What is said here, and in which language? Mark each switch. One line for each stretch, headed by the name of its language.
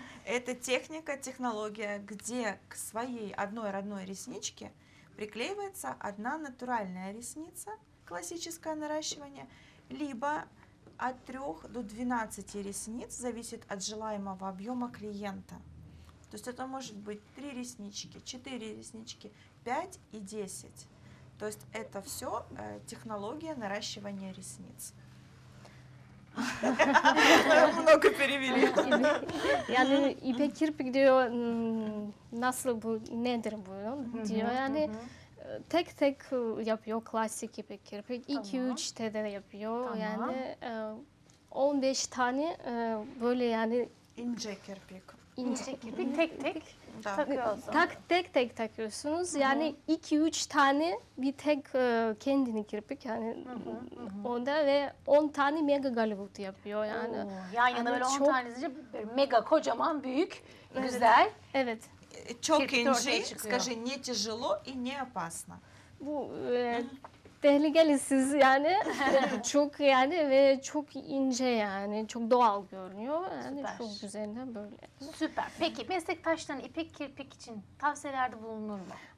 Russian: Это техника, технология, где к своей одной родной ресничке приклеивается одна натуральная ресница, классическое наращивание, либо от 3 до 12 ресниц, зависит от желаемого объема клиента. То есть это может быть 3 реснички, 4 реснички, 5 и 10. То есть это все технология наращивания ресниц. Много перевели.
Turkish: Yani ipek kirpik diyor nasıl bu nedir bu diyor. Yani tek tek yapıyor klasik ipek kirpik. 2-3 tane yapıyor. Yani 15 tane böyle yani ince kirpik. İnce kirpik tek tek takıyorsunuz. Tek tek takıyorsunuz. Yani 2-3 tane bir tek kendini kirpik yani onda ve 10 tane mega galibut yapıyor yani. Yan yana böyle 10 tanesi mega kocaman büyük güzel. Evet. Çok ince.
Russian: Скажи, не тяжело и не опасно.
Turkish: Bu tehlikelisiz yani çok yani ve çok ince yani çok doğal görünüyor yani süper. Çok güzelinden böyle. Süper. Peki meslektaşların ipek kirpik için tavsiyelerde bulunur mu?